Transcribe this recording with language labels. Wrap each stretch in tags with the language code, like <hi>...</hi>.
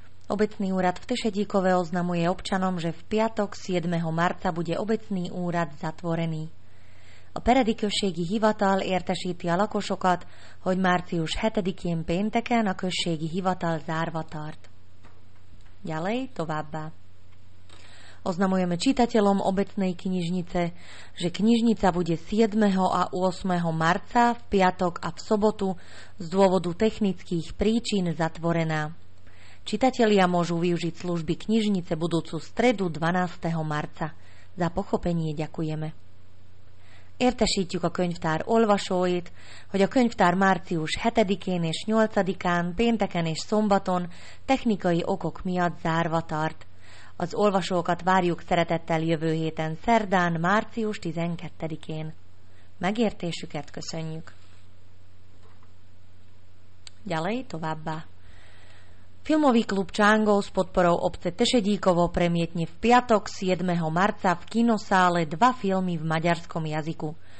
<sk>Obecný úrad v Tešedíkove oznamuje občanom, že v piatok 7. marca bude obecný úrad zatvorený.</sk> <hu>A peredik községi hivatal értesíti a lakosokat, hogy március 7-én pénteken a községi hivatal zárva tart.</hu> <sk>Ďalej,</sk> <hu>továbbá.</hu> <sk>Oznamujeme čitateľom obecnej knižnice, že knižnica bude 7. a 8. marca v piatok a v sobotu z dôvodu technických príčin zatvorená. Čitatelia môžu využiť služby knižnice budúcu stredu 12. marca. Za pochopenie ďakujeme.</sk> <hu>Értesítjük a könyvtár olvasóit, hogy a könyvtár március 7-én és 8-án, pénteken és szombaton technikai okok miatt zárva tart. Az olvasókat várjuk szeretettel jövő héten szerdán, március 12-én. Megértésüket köszönjük.</hu> <sk>Ďalej</sk> <hu>továbbá.</hu> <sk>Filmový klub Čángov s podporou obce Tešedíkovo premietne v piatok 7. marca v kinosále dva filmy v maďarskom jazyku.</sk>